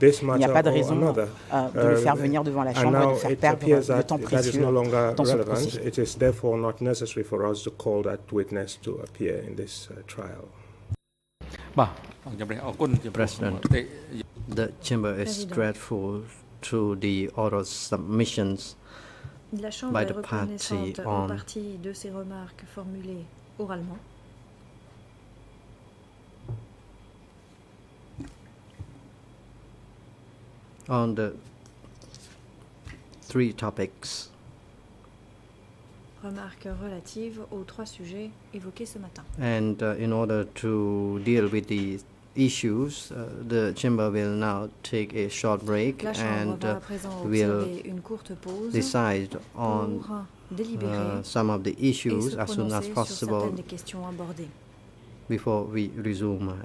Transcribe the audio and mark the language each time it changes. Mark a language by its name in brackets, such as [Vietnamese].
[French] Il n'y a pas de raison de le faire venir devant la Chambre et de faire perdre le temps précieux dans ce procès. [English] President, the Chamber is grateful to the oral submissions [French] la Chambre est reconnaissante en partie de ses remarques formulées oralement. [English] On the three topics. [French] Remarques relatives aux trois sujets évoqués ce matin. [English] And in order to deal with the issues, the Chamber will now take a short break and will decide on some of the issues as soon as possible before we resume.